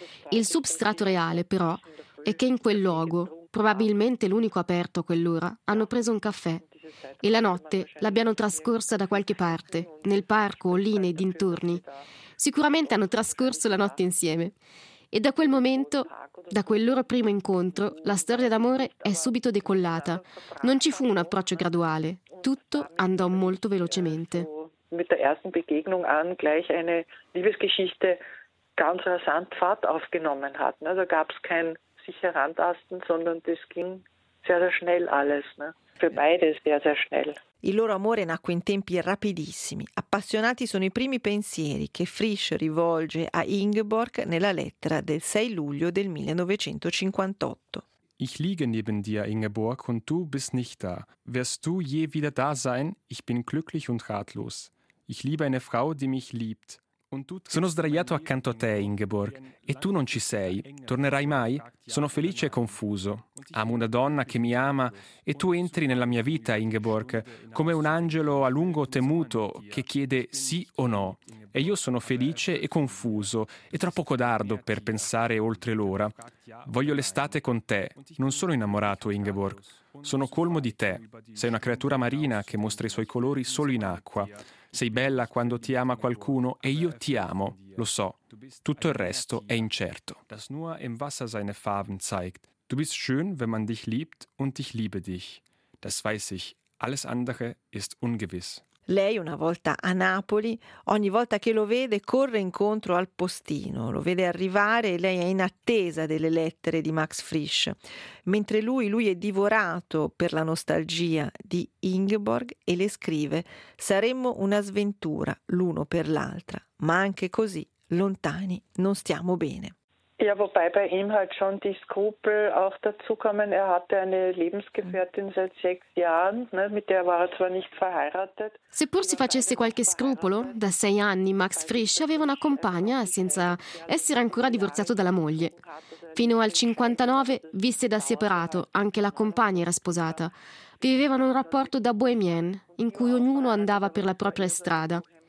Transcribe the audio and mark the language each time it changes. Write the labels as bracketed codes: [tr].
[it] Il substrato reale, però, è che in quel luogo, probabilmente l'unico aperto a quell'ora, hanno preso un caffè e la notte l'abbiano trascorsa da qualche parte, nel parco o lì nei dintorni. Sicuramente hanno trascorso la notte insieme. E da quel momento, da quel loro primo incontro, la storia d'amore è subito decollata. Non ci fu un approccio graduale. Tutto andò molto velocemente. [de] Mit der ersten Begegnung an gleich eine Liebesgeschichte ganz rasant Fahrt aufgenommen hat. Da gab es kein sicher Randasten, sondern das ging sehr, sehr schnell alles. Für beide sehr, sehr schnell. [it] Il loro amore nacque in tempi rapidissimi. Appassionati sono i primi pensieri che Frisch rivolge a Ingeborg nella lettera del 6 luglio del 1958. [de] Ich liege neben dir, Ingeborg, und du bist nicht da. Wirst du je wieder da sein? Ich bin glücklich und ratlos. Ich liebe eine Frau, die mich liebt. [it] Sono sdraiato accanto a te, Ingeborg, e tu non ci sei. Tornerai mai? Sono felice e confuso. Amo una donna che mi ama e tu entri nella mia vita, Ingeborg, come un angelo a lungo temuto che chiede sì o no. E io sono felice e confuso e troppo codardo per pensare oltre l'ora. Voglio l'estate con te. Non sono innamorato, Ingeborg. Sono colmo di te. Sei una creatura marina che mostra i suoi colori solo in acqua. Sei bella quando ti ama qualcuno e io ti amo, lo so. Tutto il resto è incerto. [de] Das nur im Wasser seine Farben zeigt. Du bist schön, wenn man dich liebt und ich liebe dich. Das weiß ich. Alles andere ist ungewiss. [it] Lei, una volta a Napoli, ogni volta che lo vede, corre incontro al postino. Lo vede arrivare e lei è in attesa delle lettere di Max Frisch. Mentre lui è divorato per la nostalgia di Ingeborg e le scrive «Saremmo una sventura l'uno per l'altra, ma anche così, lontani, non stiamo bene». [de] Ja, wobei bei ihm halt schon die Skrupel auch dazu kommen. Er hatte eine Lebensgefährtin seit 6 Jahren, ne, mit der war er zwar nicht verheiratet. [it] Seppur si facesse qualche scrupolo, da 6 anni Max Frisch aveva una compagna senza essere ancora divorziato dalla moglie. Fino al 59 visse da separato, anche la compagna era sposata. Vivevano un rapporto da bohemien, in cui ognuno andava per la propria strada.